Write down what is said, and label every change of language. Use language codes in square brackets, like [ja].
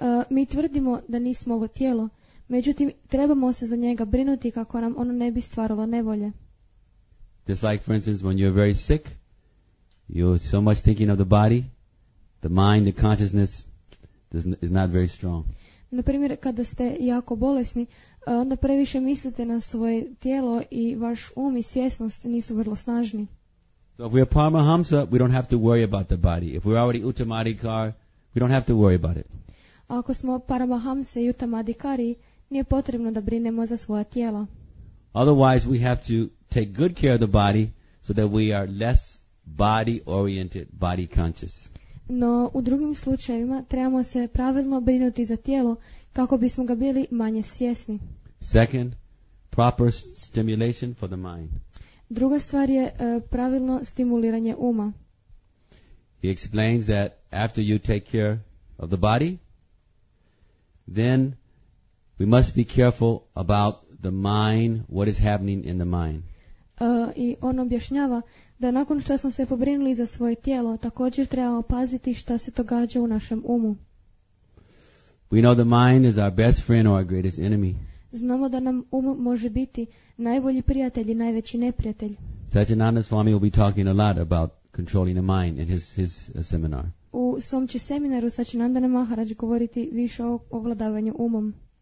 [hr] Mi tvrdimo da nismo ovo tijelo, međutim trebamo se za njega brinuti kako nam ono ne bi stvaralo nevolje. [en] Just like, for instance, when you're very sick, you're so much thinking of the body, the mind, the consciousness is not very strong. [hr] Na primjer, kada ste jako bolesni, onda previše mislite na svoje tijelo i vaš um i svjesnost nisu vrlo snažni. [en] So if we are Paramahamsa, we don't have to worry about the body. If we're already Uttamadhikar, we don't have to worry about it. [hr] Ako smo Paramahamsa i Uttamadhikari, nije potrebno da brinemo za svoja tijela. [en] Otherwise, we have to take good care of the body so that we are less body-oriented, body-conscious. [hr] No u drugim slučajevima trebamo se pravilno brinuti za tijelo kako bismo ga bili manje svjesni. [en] Second, proper stimulation for the mind. [hr] Druga stvar je pravilno stimuliranje uma. [en] He explains that after you take care of the body, then we must be careful about the mind, what is happening in the mind. [hr] I on objašnjava da nakon što smo se pobrinuli za svoje tijelo, također trebamo paziti šta se događa u našem umu. [en] We know the mind is our best friend or our greatest enemy. [hr] Znamo da nam um može biti najbolji prijatelj i najveći neprijatelj. [en] Sajjananda Swami will be talking a lot about controlling the mind in his seminar. [hr] U svom će seminaru Sajjananda Maharaj govoriti više o vladavanju umom.